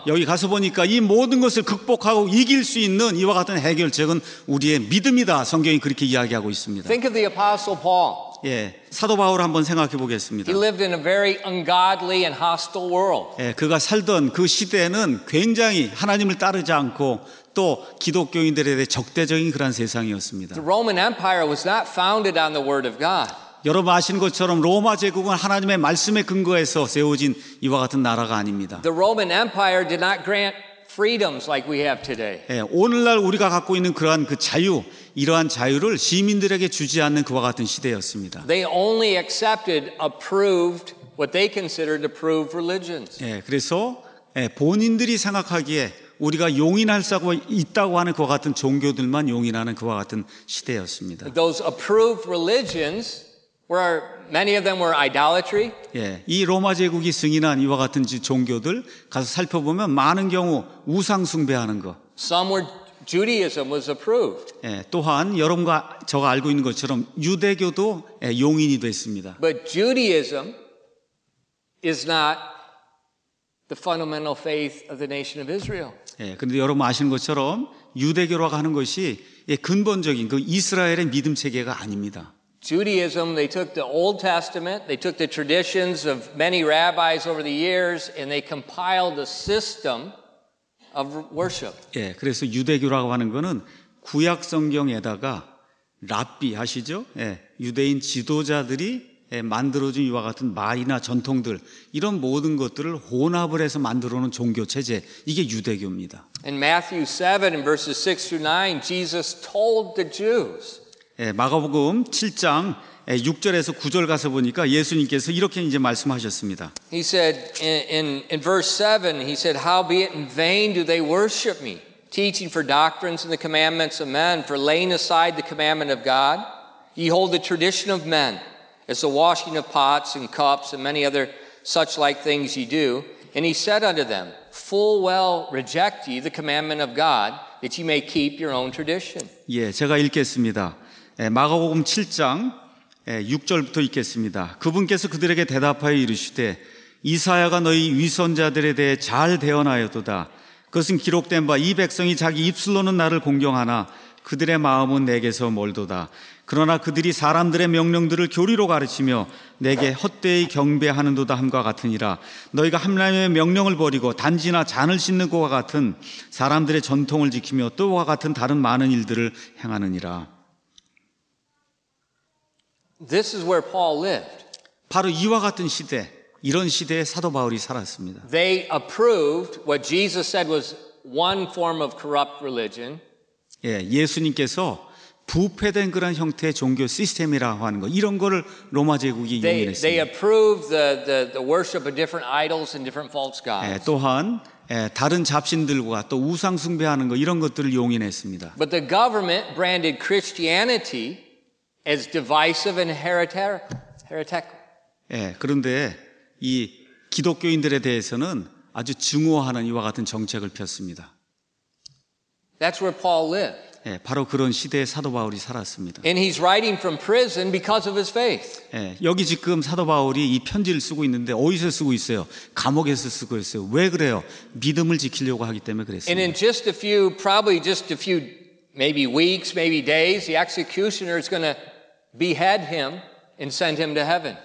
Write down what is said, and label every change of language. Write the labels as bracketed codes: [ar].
[ko] 여기 가서 보니까 이 모든 것을 극복하고 이길 수 있는 이와 같은 해결책은 우리의 믿음이다. 성경이 그렇게 이야기하고 있습니다. [en] Think of the Apostle Paul. [ko] 예, 사도 바울 한번 생각해 보겠습니다. [en] He lived in a very ungodly and hostile world. [ko] 예, 그가 살던 그 시대에는 굉장히 하나님을 따르지 않고 또 기독교인들에 대해 적대적인 그런 세상이었습니다. [en] The Roman Empire was not founded on the word of God. [ko] 여러분 아시는 것처럼 로마 제국은 하나님의 말씀에 근거해서 세워진 이와 같은 나라가 아닙니다. [en] The Roman Empire did not grant freedoms like we have today. [ko] 예, 오늘날 우리가 갖고 있는 그러한 그 자유, 이러한 자유를 시민들에게 주지 않는 그와 같은 시대였습니다. [en] They only accepted approved what they considered approved religions. [ko] 예, 그래서 예, 본인들이 생각하기에 우리가 용인할 수 있다고 하는 그와 같은 종교들만 용인하는 그와 같은 시대였습니다. [en] Those approved religions Where many of them were idolatry. [ko] 예, 이 로마 제국이 승인한 이와 같은 종교들 가서 살펴보면 많은 경우 우상 숭배하는 거. [en] Some were Judaism was approved. [ko] 예, 또한 여러분과 저가 알고 있는 것처럼 유대교도 예, 용인이 됐습니다. [en] But Judaism is not the fundamental faith of the nation of Israel. [ko] 예, 그런데 여러분 아시는 것처럼 유대교라고 하는 것이 예, 근본적인 그 이스라엘의 믿음 체계가 아닙니다. [en] Judaism, they took the Old Testament, they took the traditions of many rabbis over the years, and they compiled a system of worship. [ko] 예, 그래서 유대교라고 하는 거는 구약 성경에다가 랍비 아시죠? 예, 유대인 지도자들이 예, 만들어준 이와 같은 말이나 전통들 이런 모든 것들을 혼합을 해서 만들어놓은 종교 체제 이게 유대교입니다. [en] In Matthew 7 in verses 6 through 9, Jesus told the Jews. [ko] 예, 마가복음 7장 6절에서 9절 가서 보니까 예수님께서 이렇게 이제 말씀하셨습니다. [en] He said in verse 7, he said, "Howbeit in vain do they worship me, teaching for doctrines and the commandments of men, for laying aside the commandment of God. Ye hold the tradition of men, as the washing of pots and cups and many other such like things ye do." And he said unto them, "Full well reject ye the commandment of God, that ye may keep your own tradition." [ko] 예, 제가 읽겠습니다. 예, 마가복음 7장 예, 6절부터 읽겠습니다. 그분께서 그들에게 대답하여 이르시되 이사야가 너희 위선자들에 대해 잘 대언하였도다. 그것은 기록된 바 이 백성이 자기 입술로는 나를 공경하나 그들의 마음은 내게서 멀도다. 그러나 그들이 사람들의 명령들을 교리로 가르치며 내게 헛되이 경배하는도다 함과 같으니라. 너희가 함람의 명령을 버리고 단지나 잔을 씻는 것과 같은 사람들의 전통을 지키며 또와 같은 다른 많은 일들을 행하느니라. [en] This is where Paul lived. [ko] 바로 이와 같은 시대, 이런 시대에 사도 바울이 살았습니다. [en] They approved what Jesus said was one form of corrupt religion. [ko] 예, 예수님께서 부패된 그런 형태의 종교 시스템이라고 하는 거, 이런 거를 로마 제국이 용인했습니다. [en] They approved the worship of different idols and different false gods. [ko] 예, 또한 예, 다른 잡신들과 또 우상 숭배하는 거 이런 것들을 용인했습니다. [en] But the government branded Christianity as divisive and heretic. [ko] 예, 그런데 이 기독교인들에 대해서는 아주 증오하는 이와 같은 정책을 폈습니다. [en] That's where Paul lived. [ko] 예, 바로 그런 시대에 사도 바울이 살았습니다. [en] And he's writing from prison because of his faith. [ko] 예, 여기 지금 사도 바울이 이 편지를 쓰고 있는데 어디서 쓰고 있어요? 감옥에서 쓰고 있어요. 왜 그래요? 믿음을 지키려고 하기 때문에 그랬습니다. [en] And in just a few, probably just a few maybe weeks, maybe days, the executioner is going to behead him and send him to heaven.